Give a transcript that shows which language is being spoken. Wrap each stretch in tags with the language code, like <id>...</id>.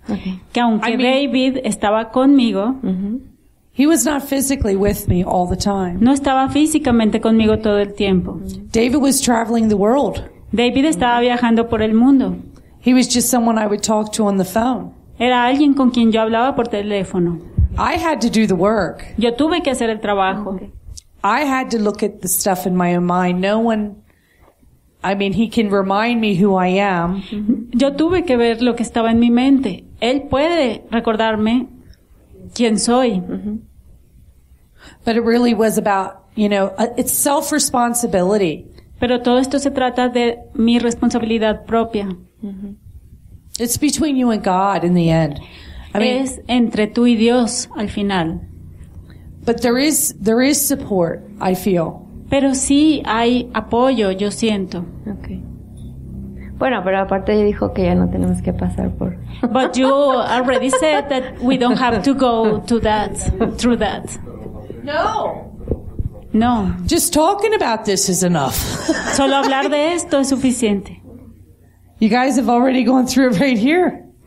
<es>que aunque David estaba conmigo,</es> <en>he was not physically with me all the time.</en> <es>No estaba físicamente conmigo todo el tiempo.</es> <en>David was traveling the world.</en> <es>David estaba viajando por el mundo.</es> <en>He was just someone I would talk to on the phone.</en> <es>Era alguien con quien yo hablaba por teléfono.</es> <en>I had to do the work.</en> <es>Yo tuve que hacer el trabajo. Okay.</es> <en>I had to look at the stuff in my own mind. No one, I mean, he can remind me who I am.</en> <es>Yo tuve que ver lo que estaba en mi mente. Él puede recordarme quién soy.</es> <en>But it really was about, you know, it's self-responsibility.</en> <es>Pero todo esto se trata de mi responsabilidad propia.</es> <en>It's between you and God in the end.</en> <es>Es entre tú y Dios al final.</es> <en>But there is support, I feel.</en> <es>Pero sí hay apoyo, yo siento.</es> <en>Okay.</en> <es>Bueno, pero aparte ella dijo que ya no tenemos que pasar por.</es> <en>But you already said that we don't have to go to that, through that.</en> <es>No. No.</es> <en>Just talking about this is enough.</en> <es>Solo hablar de esto es suficiente.</es> <en>You guys have already gone through it right here.</en>